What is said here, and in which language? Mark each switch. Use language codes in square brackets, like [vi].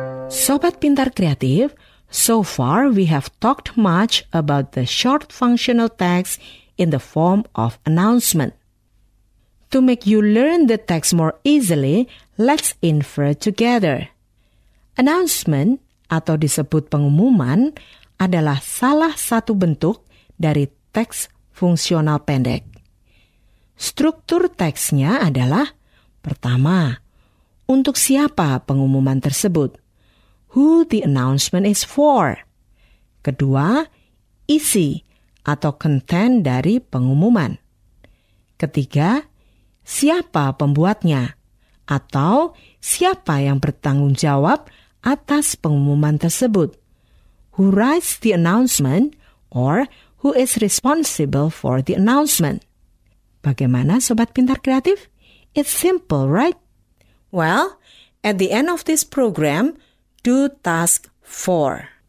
[en] Sobat Pintar Kreatif, so far we have talked much about the short functional text in the form of announcement. To make you learn the text more easily, let's infer together. [id] Announcement, atau disebut pengumuman, adalah salah satu bentuk dari teks fungsional pendek. Struktur teksnya adalah, pertama, untuk siapa pengumuman tersebut? [en] Who the announcement is for? [id] Kedua, isi atau content dari pengumuman. Ketiga, siapa pembuatnya? Atau siapa yang bertanggung jawab atas pengumuman tersebut? [en] Who writes the announcement or who is responsible for the announcement? [id] Bagaimana [en] Sobat Pintar Kreatif? It's simple, right? Well, at the end of this program, do task 4.